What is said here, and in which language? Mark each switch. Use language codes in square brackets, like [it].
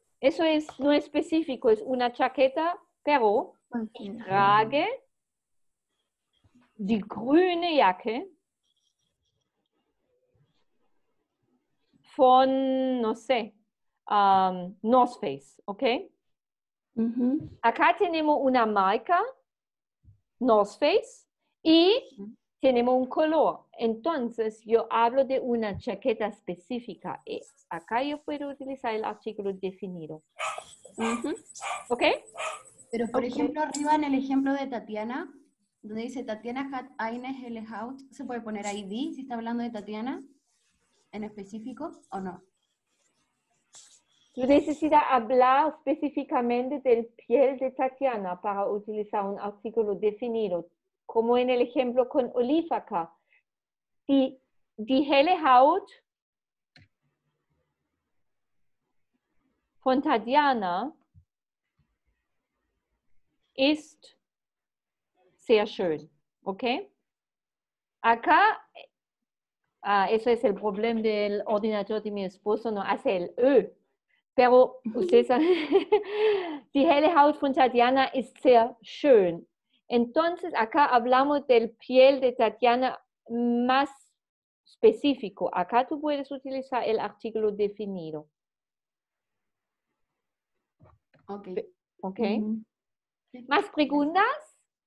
[es] Eso es no específico, es una chaqueta, pero okay. [de] Ich trage die grüne Jacke von, [es] no sé, [de] North Face, okay? Mm-hmm. [es] Acá tenemos una marca, North Face, y tenemos un color. Entonces, yo hablo de una chaqueta específica. Y acá yo puedo utilizar el artículo definido. Uh-huh. ¿Ok? Pero, por ejemplo, arriba en el ejemplo de Tatiana, donde dice [de] Tatiana hat eine helle Haut, [es] ¿se puede poner ID si está hablando de Tatiana en específico o no? Tú necesitas hablar específicamente del piel de Tatiana para utilizar un artículo definido. Como en el ejemplo con Olifaka. [de] Die helle Haut von Tatiana ist sehr schön. Okay? [es] Acá, eso es el problema del ordenador de mi esposo, no hace el Ö. Pero ustedes saben, [de] die helle Haut von Tatiana ist sehr schön. [es] Entonces, acá hablamos del piel de Tatiana más específico. Acá tú puedes utilizar el artículo definido. Ok. Ok. Mm-hmm. ¿Más preguntas?